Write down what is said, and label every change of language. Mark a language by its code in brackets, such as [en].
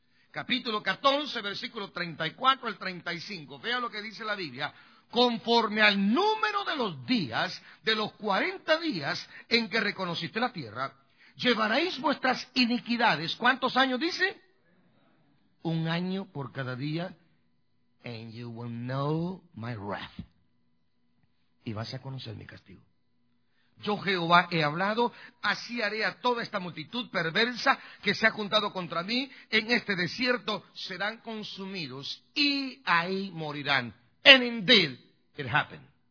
[es] capítulo 14, versículo 34 al 35. Vea lo que dice la Biblia. Conforme al número de los días, de los 40 días en que reconociste la tierra, llevaréis vuestras iniquidades. ¿Cuántos años dice? Un año por cada día. [en] And you will know my wrath. [es] Y vas a conocer mi castigo. Yo, Jehová, he hablado, así haré a toda esta multitud perversa que se ha juntado contra mí en este desierto, serán consumidos y ahí morirán. [en] And indeed, it happened.